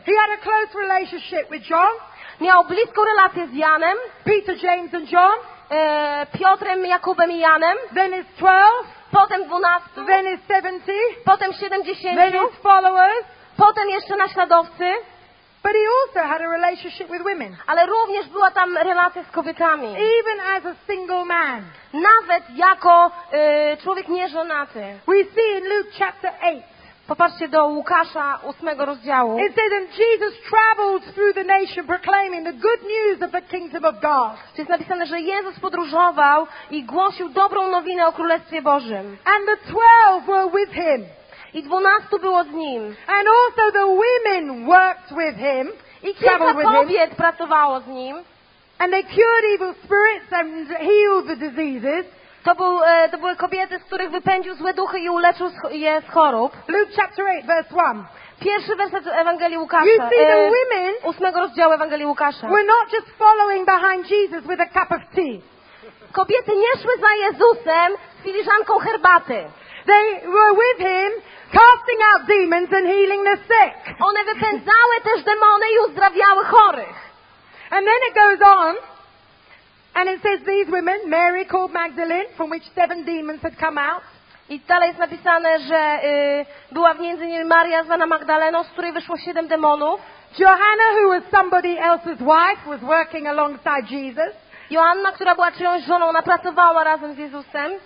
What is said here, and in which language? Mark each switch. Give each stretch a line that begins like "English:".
English: He had a close relationship with John.
Polish: Miał bliską relację z Janem.
English: Peter, James and John.
Polish: Piotrem, Jakubem i Janem.
English: Then his 12.
Polish: Potem 12.
English: Then his 70.
Polish: Potem 70.
English: Then his followers.
Polish: Potem jeszcze naśladowcy.
English: But he also had a relationship with women.
Polish: Ale również była tam relacja z kobietami.
English: Even as a single man.
Polish: Nawet jako człowiek nieżonaty.
English: We see in Luke chapter 8.
Polish: Popatrzcie do Łukasza 8 rozdziału.
English: It says that Jesus traveled through the nation proclaiming the good news of the kingdom of God.
Polish: Jest napisane, że Jezus podróżował i głosił dobrą nowinę o Królestwie Bożym.
English: And the 12 were with him.
Polish: I 12 było z nim.
English: And also the women worked with him.
Polish: I kilka kobiet pracowało z nim.
English: And they cured evil spirits and healed the diseases.
Polish: To były kobiety, z których wypędził złe duchy i uleczył je z chorób.
English: Luke chapter 8, verse 1.
Polish: Pierwszy werset Ewangelii Łukasza.
English: You see, the women
Polish: 8 rozdziału Ewangelii Łukasza.
English: Were not just following behind Jesus with a cup of tea.
Polish: Kobiety nie szły za Jezusem z filiżanką herbaty.
English: They were with him casting out demons and healing the sick.
Polish: One wypędzały też demony i uzdrawiały chorych.
English: And then it goes on and it says these women, Mary called Magdalene, from which 7 demons had come out.
Polish: I dalej jest napisane, że była w między nimi Maria zwana Magdaleną, z której wyszło 7 demonów.
English: Johanna, who was somebody else's wife, was working alongside Jesus.
Polish: Joanna, która była czyjąś żoną, ona pracowała razem z Jezusem.